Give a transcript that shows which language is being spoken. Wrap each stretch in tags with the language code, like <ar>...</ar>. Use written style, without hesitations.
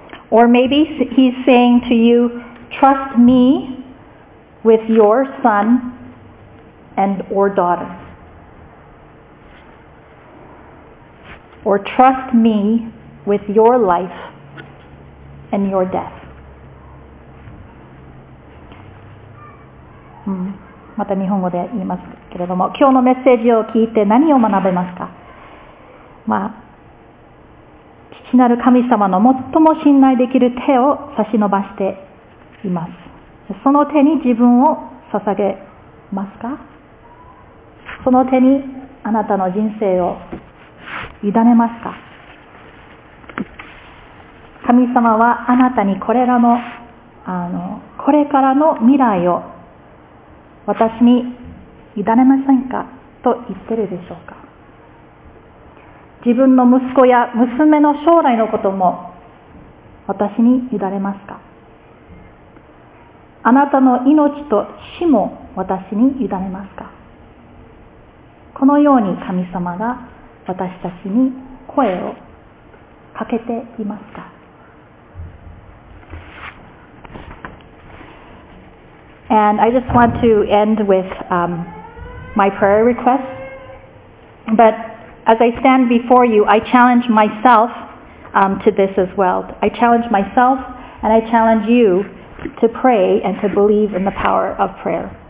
<en>Or maybe He's saying to you, trust me with your son and or daughters. Or trust me with your life and your death.</en> <ja>また日本語で言いますけれども、今日のメッセージを聞いて何を学べますか？まあ、父なる神様の最も信頼できる手を差し伸ばしています。その手に自分を捧げますか？その手にあなたの人生を委ねますか？神様はあなたにこれらの、これからの未来を私に委ねませんかと言ってるでしょうか。自分の息子や娘の将来のことも私に委ねますか。あなたの命と死も私に委ねますか。このように神様が私たちに声をかけていますか。</ja> <en>And I just want to end with my prayer request. But as I stand before you, I challenge myself to this as well. I challenge myself and I challenge you to pray and to believe in the power of prayer.</en>